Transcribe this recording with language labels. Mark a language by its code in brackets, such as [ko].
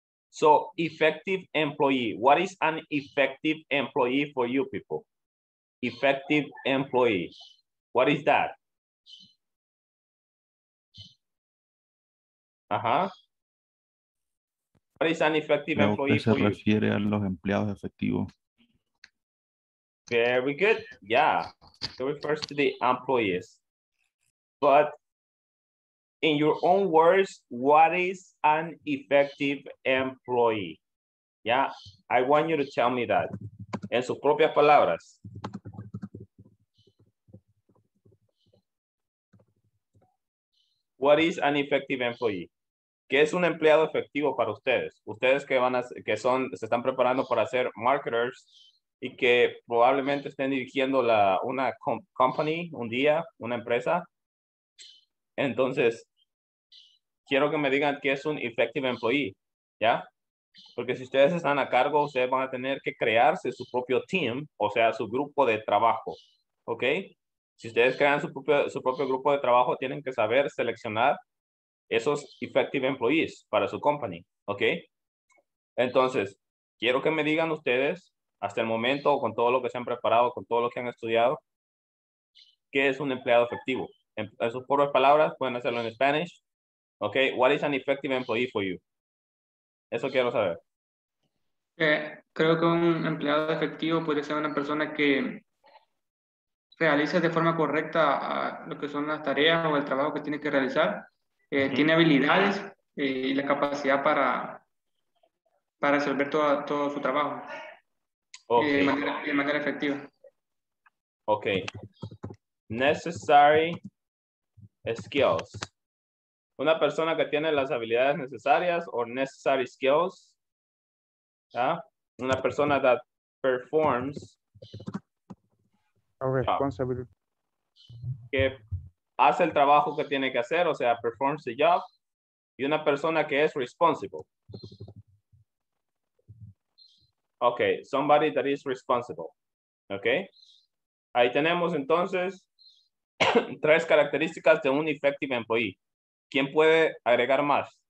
[en] So, effective employee. What is an effective employee for you people? Effective employee. What is that? Uh-huh. What is an effective employee for you? [es] Se refiere a los empleados efectivos. [en] Very good. Yeah. It refers to the employees. But in your own words, what is an effective employee? Yeah. I want you to tell me that. [es] En sus propias palabras. [en] What is an effective employee? [es] ¿Qué es un empleado efectivo para ustedes? Ustedes que van a, que son, se están preparando para ser marketers y que probablemente estén dirigiendo la, una company un día, una empresa. Entonces, quiero que me digan qué es un effective employee, ¿ya? Porque si ustedes están a cargo, ustedes van a tener que crearse su propio team, o sea, su grupo de trabajo, ¿ok? Si ustedes crean su propio grupo de trabajo, tienen que saber seleccionar esos effective employees para su company, ¿ok? Entonces, quiero que me digan ustedes, hasta el momento, con todo lo que se han preparado, con todo lo que han estudiado, ¿qué es un empleado efectivo? En sus propias palabras, pueden hacerlo en Spanish. [en] Ok, what is an effective employee for you? [es] Eso quiero saber. Creo que un empleado efectivo puede ser una persona que realiza de forma correcta lo que son las tareas o el trabajo que tiene que realizar. Tiene habilidades y la capacidad para resolver todo su trabajo. Okay. De manera efectiva. [en] Okay. Necessary skills. [es] Una persona que tiene las habilidades necesarias [en] or necessary skills. [es] Una persona [en] that performs a responsibility. [es] Que hace el trabajo que tiene que hacer, o sea, [en] performs the job. [es] Y una persona que es responsible. [en] Okay, somebody that is responsible. Okay. [es] Ahí tenemos entonces tres características de un effective employee. ¿Quién puede agregar más?